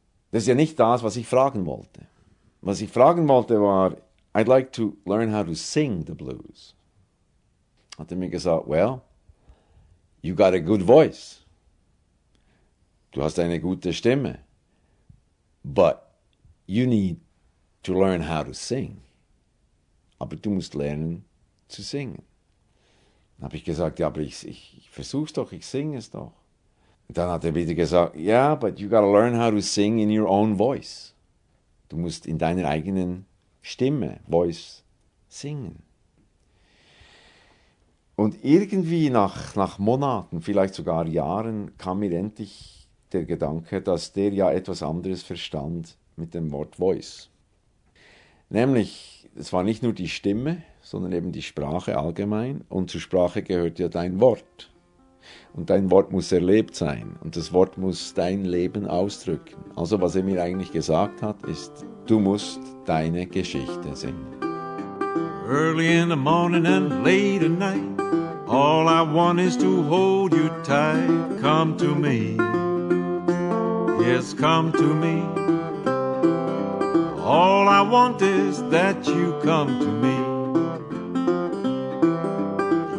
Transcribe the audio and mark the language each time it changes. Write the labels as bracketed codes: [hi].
[de] Das ist ja nicht das, was ich fragen wollte. Was ich fragen wollte war, [en] I'd like to learn how to sing the blues. [de] Hat er mir gesagt, [en] well, you got a good voice. [de] Du hast eine gute Stimme. [en] But you need to learn how to sing. [de] Aber du musst lernen zu singen. Dann habe ich gesagt, ja, aber ich versuch's doch, ich singe es doch. Und dann hat er wieder gesagt, ja, [en] yeah, but you gotta learn how to sing in your own voice. [de] Du musst in deiner eigenen Stimme, Voice, singen. Und irgendwie nach Monaten, vielleicht sogar Jahren, kam mir endlich der Gedanke, dass der ja etwas anderes verstand mit dem Wort Voice. Nämlich, es war nicht nur die Stimme, sondern eben die Sprache allgemein. Und zur Sprache gehört ja dein Wort. Und dein Wort muss erlebt sein. Und das Wort muss dein Leben ausdrücken. Also was er mir eigentlich gesagt hat, ist, du musst deine Geschichte singen. [en] Early in the morning and late at night, all I want is to hold you tight. Come to me, yes, come to me. All I want is that you come to me.